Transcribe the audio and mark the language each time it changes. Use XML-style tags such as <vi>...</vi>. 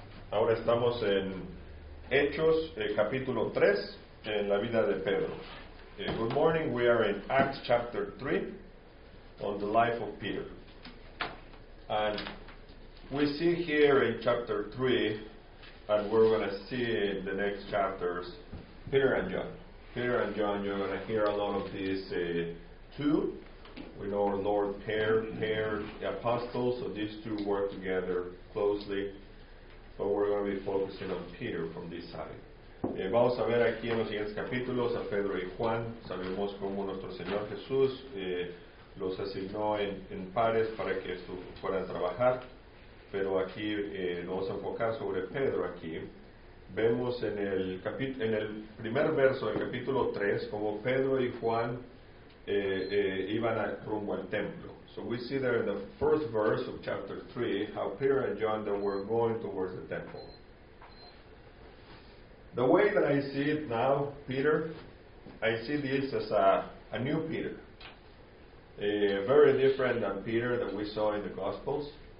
<es>Ahora estamos en Hechos, capítulo 3, en la vida de Pedro.</es> <en>Good morning. We are in Acts chapter 3, on the life of Peter. And we see here in chapter 3, and we're going to see in the next chapters, Peter and John. Peter and John, you're going to hear a lot of these two. We know our Lord paired the apostles, so these two work together closely. But we're going to be focusing on Peter from this side.</en> <es>Vamos a ver aquí en los siguientes capítulos a Pedro y Juan. Sabemos cómo nuestro Señor Jesús los asignó en pares para que fueran a trabajar. Pero aquí nos vamos a enfocar sobre Pedro aquí. Vemos en el primer verso del capítulo 3 cómo Pedro y Juan iban rumbo al templo.</es> <en>So we see there in the first verse of chapter 3 how Peter and John they were going towards the temple. The way that I see it now, Peter, I see this as a new Peter. Very different than Peter that we saw in the Gospels.</en>